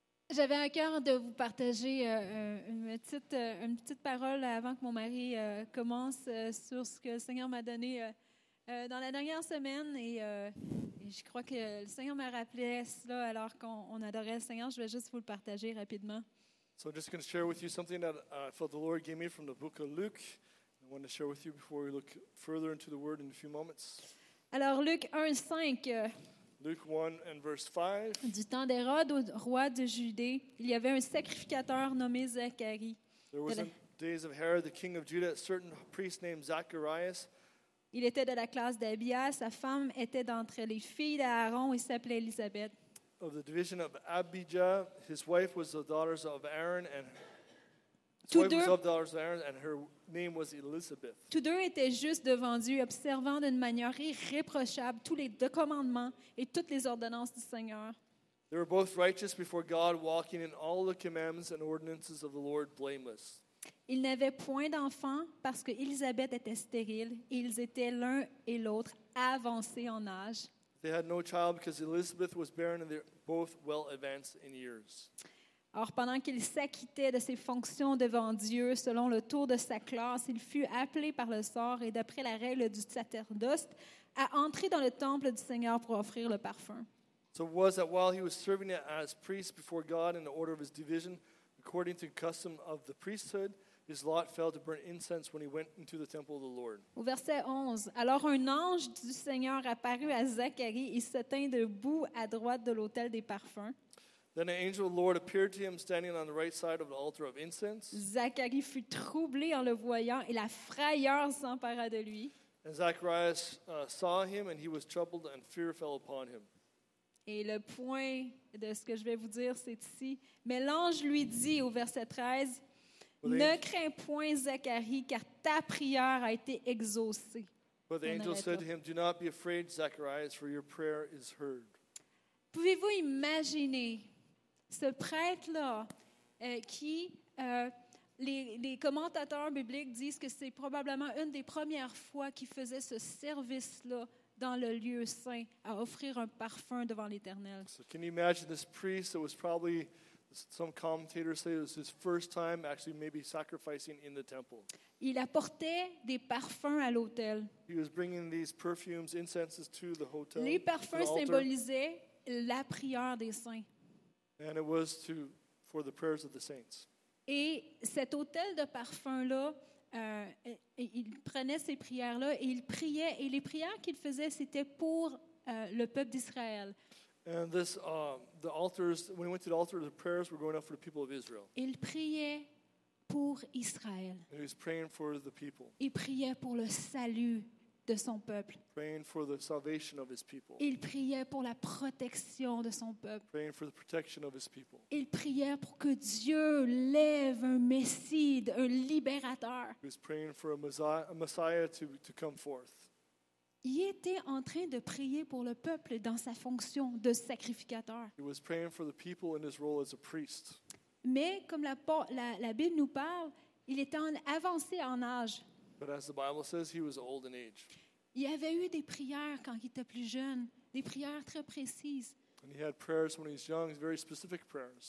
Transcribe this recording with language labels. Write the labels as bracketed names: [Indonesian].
[French] J'avais à cœur de vous partager une petite parole avant que mon mari commence sur ce que le Seigneur m'a donné dans la dernière semaine. Et je crois que le Seigneur m'a rappelé cela alors qu'on adorait le Seigneur. Je vais juste vous le partager rapidement. [English] So I'm just going to share with you something that I felt the Lord gave me from the book of Luke. I want to share with you before we look further into the word in a few moments. [French] Alors, Luc 1, 5. [English] Luke 1 and verse 5. [French] Du temps d'Hérode, roi de Judée, il y avait un sacrificateur nommé Zacharie. [English] There was in the days of Herod, the king of Judah, a certain priest named Zacharias. [French] Il était de la classe d'Abia, sa femme était d'entre les filles d'Aaron et s'appelait Élisabeth. [English] Of the division of Abijah, his wife was the daughters of Aaron, and [French] tous deux, [English] wife was the daughters of Aaron, and her name was Elizabeth. [French] Tous deux étaient justes devant Dieu, observant d'une manière irréprochable tous les deux commandements et toutes les ordonnances du Seigneur. [English] They were both righteous before God, walking in all the commandments and ordinances of the Lord blameless. [French] Ils n'avaient point d'enfants parce que Élisabeth était stérile, et ils étaient l'un et l'autre avancés en âge. [English] They had no child because Elizabeth was barren and they're both well advanced in years. [French] Or, pendant qu'il s'acquittait de ses fonctions devant Dieu, selon le tour de sa classe, il fut appelé par le sort et d'après la règle du sacerdoce à entrer dans le temple du Seigneur pour offrir le parfum. [English] So it was that while he was serving as priest before God in the order of his division, according to the custom of the priesthood, his lot fell to burn incense when he went into the temple of the Lord. [French] Au verset 11, alors un ange du Seigneur apparut à Zacharie et se tint debout à droite de l'autel des parfums. [English] Then an angel of the Lord appeared to him standing on the right side of the altar of incense. [French] Zacharie fut troublé en le voyant et la frayeur s'empara de lui. [English] And Zacharias saw him and he was troubled and fear fell upon him. [French] Et le point de ce que je vais vous dire, c'est ici. Mais l'ange lui dit au verset 13, « Ne crains point, Zacharie, car ta prière a été exaucée. » [English] But the angel said to him, « Do not be afraid, Zacharias, for your prayer is heard. » [French] Pouvez-vous imaginer ce prêtre-là qui, les commentateurs bibliques disent que c'est probablement une des premières fois qu'il faisait ce service-là dans le lieu saint à offrir un parfum devant l'Éternel. [English] So can you imagine this priest? It was probably, some commentators say, it was his first time actually maybe sacrificing in the temple. [French] Il apportait des parfums à l'autel. [English] He was bringing these perfumes, incenses to the hotel. [French] Les parfums symbolisaient la prière des saints. [English] And it was to for the prayers of the saints. [French] Et cet autel de parfums là. Il prenait ces prières-là et il priait. Et les prières qu'il faisait, c'était pour le peuple d'Israël. [English] And this, the altars, when he went to the altar, the prayers were going up for the people of Israel. [French] Il priait pour Israël. [English] And he was praying for the people. [French] Il priait pour le salut de son peuple. [English] Praying for the salvation of his people. [French] Il priait pour la protection de son peuple. [English] Praying for the protection of his people. [French] Il priait pour que Dieu lève un Messie, un libérateur. [English] He was praying for a Messiah to come forth. [French] Il était en train de prier pour le peuple dans sa fonction de sacrificateur. [English] He was praying for the people in his role as a priest. [French] Mais comme la Bible nous parle, il était avancé en âge. [English] But as the Bible says, he was old in age. [French] Il avait eu des prières quand il était plus jeune, des prières très précises. [English] And he had prayers when he was young, very specific prayers.